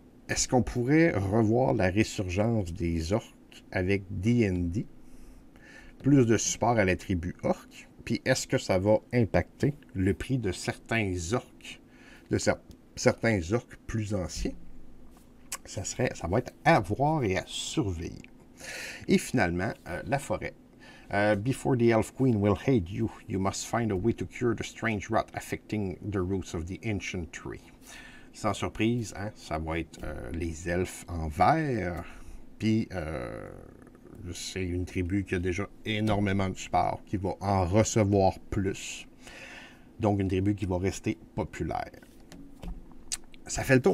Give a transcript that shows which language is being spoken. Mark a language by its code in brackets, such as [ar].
[fr] Est-ce qu'on pourrait revoir la résurgence des orques avec D&D? Plus de support à la tribu orque. Puis est-ce que ça va impacter le prix de certains orques, de certains orques plus anciens? Ça va être à voir et à surveiller. Et finalement, la forêt. [en] Before the Elf Queen will hate you, you must find a way to cure the strange rot affecting the roots of the ancient tree. [fr] Sans surprise, hein, ça va être les elfes en vert. Puis, c'est une tribu qui a déjà énormément de support, qui va en recevoir plus. Donc, une tribu qui va rester populaire. Ça fait le tour.